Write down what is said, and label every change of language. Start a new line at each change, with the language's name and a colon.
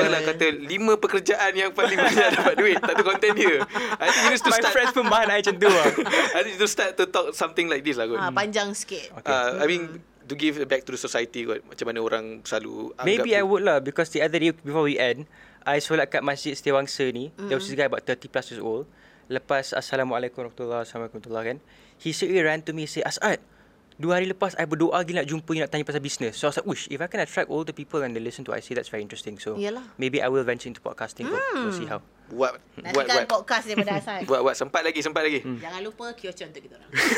Malay: Janganlah kata 5 pekerjaan yang paling banyak dapat duit. Tak tu konten dia.
English: I think you need to start. My friends
Malay: pun bahan macam tu lah.
English: I think you need to start to talk something like this lah kot.
Malay: Panjang sikit.
English: Okay. I mean, to give back to the society kot.
Malay: Macam mana orang selalu anggap.
English: Maybe I would lah. Because the other day before we end, I
Malay: solat kat masjid Setiawangsa ni.
English: There was this guy about 30 plus years old.
Malay: Lepas Assalamualaikum warahmatullahi wabarakatuh kan,
English: he suddenly ran to me, say, "Asad,
Malay: 2 hari lepas I berdoa lagi nak jumpa you, nak tanya pasal business."
English: So I was like, "Wish, if I can attract all the people and they listen to what I say, that's very interesting." So maybe I will venture into podcasting. We'll see how.
Malay: Buat podcast daripada Asad. Buat sempat lagi. Jangan lupa kiosk untuk kita orang.